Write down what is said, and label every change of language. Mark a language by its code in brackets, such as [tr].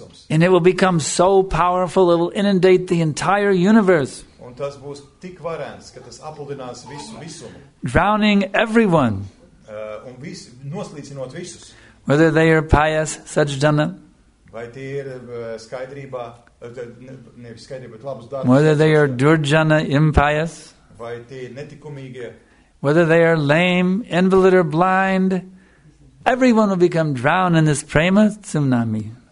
[en] And it will become so powerful, it will inundate the entire universe. [lv] Un tas būs tik varens, ka tas apludinās visu visumu. [en] Drowning everyone. [lv] Un vis, noslīcinot visus. [en] Whether they are pious, sajjana. [lv] Vai tie ir skaidrībā, nevis skaidrība, bet labus darbus. [en] Whether they are durjana, impious. [lv] Vai tie ir netikumīgie. [en] Whether they are lame, invalid or blind. Everyone will become drowned in this prema tsunami.